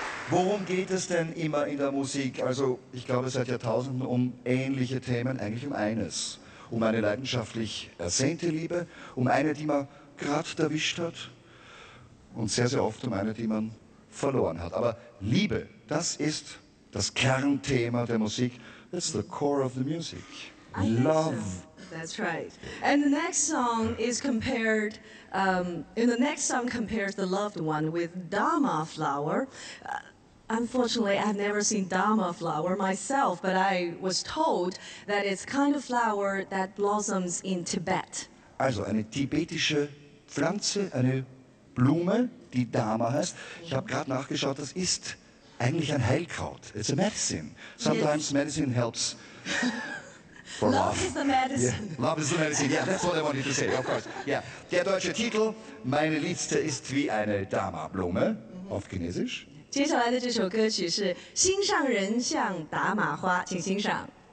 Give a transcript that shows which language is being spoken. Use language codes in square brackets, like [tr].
[de] Worum geht es denn immer in der Musik? Also ich glaube seit Jahrtausenden um ähnliche Themen, eigentlich um eines. Um eine leidenschaftlich ersehnte Liebe, um eine, die man gerade erwischt hat und sehr, sehr oft um eine, die man verloren hat. Aber Liebe, das ist das Kernthema der Musik. [en] It's the core of the music. Love. That's right. And the next song is compared, in the next song compares the loved one with Dama Flower. Unfortunately, I've never seen Dama Flower myself, but I was told that it's kind of flower that blossoms in Tibet. [de] Also eine tibetische Pflanze, eine Blume, die Dama heißt. Ich habe gerade nachgeschaut, das ist eigentlich ein Heilkraut. [en] It's a medicine. Sometimes medicine helps. For love is the medicine. Yeah. Love is the medicine. Yeah, that's what I wanted to say, of course. Yeah. [de] Der deutsche Titel, meine Liebste ist wie eine Dama-Blume, mm-hmm. auf Chinesisch. [zh] 接下来的这首歌曲是《心上人像达玛花》，请欣赏。